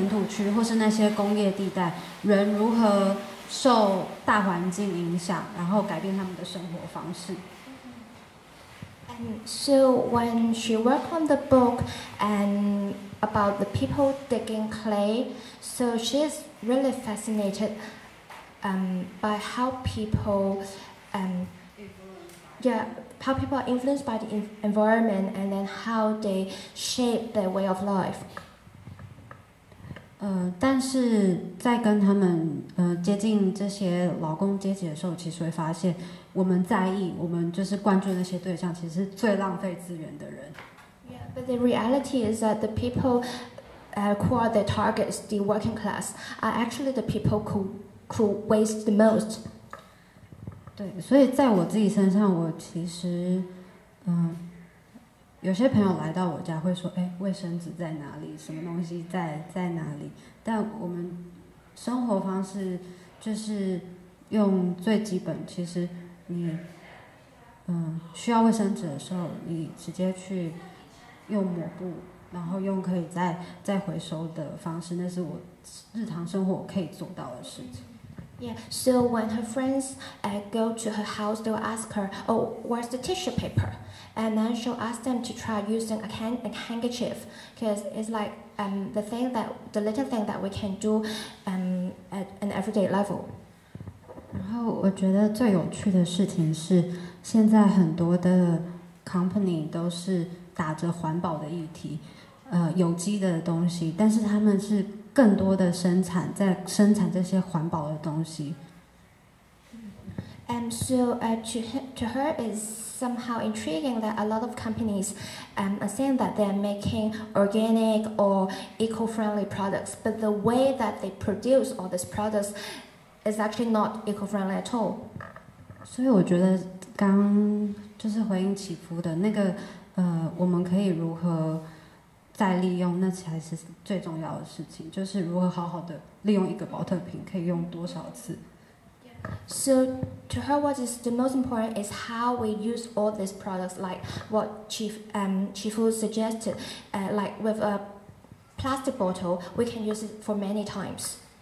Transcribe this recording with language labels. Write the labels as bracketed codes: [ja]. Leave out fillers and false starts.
[zh] 就是在我的书里面，然后你会看到有一些人他们是去挖土的人，然后我受吸引，我觉得是吸引的是，我要去挖土的时候去那些田土区或是那些工业地带，人如何。受大环境影响，然后改变他们的生活方式。 [en] And so when she worked on the book and about the people digging clay, so she's really fascinated, by how people, how people are influenced by the environment and then how they shape their way of life. [zh] 但是在跟他们接近这些劳工阶级的时候，其实会发现，我们在意，我们就是关注那些对象，其实是最浪费资源的人。 [en] Yeah, but the reality is that the people who are their targets, the working class, are actually the people who waste the most. [zh] 对，所以在我自己身上，我其实，有些朋友来到我家会说，哎，卫生纸在哪里？什么东西在哪里？但我们生活方式就是用最基本，其实你需要卫生纸的时候，你直接去用抹布，然后用可以再回收的方式，那是我日常生活可以做到的事情。 [en] Yeah, so when her friends go to her house, they'll ask her, "Oh, where's the tissue paper?" And then she'll ask them to try using a handkerchief, because it's like the little thing that we can do at an everyday level. [zh] 然后我觉得最有趣的事情是，现在很多的 company 都是打着环保的议题，有机的东西，但是他们是更多的生产，在生产这些环保的东西。 [en] So to her is somehow intriguing that a lot of companies are saying that they're making organic or eco-friendly products, but the way that they produce all these products is actually not eco-friendly at all. [zh] 所以我觉得刚就是回应起伏的那个我们可以如何再利用，那才是最重要的事情，就是如何好好的利用一个保特瓶可以用多少次。 [en] So to her, what is the most important is how we use all these products, like what Chifu suggested, like with a plastic bottle, we can use it for many times.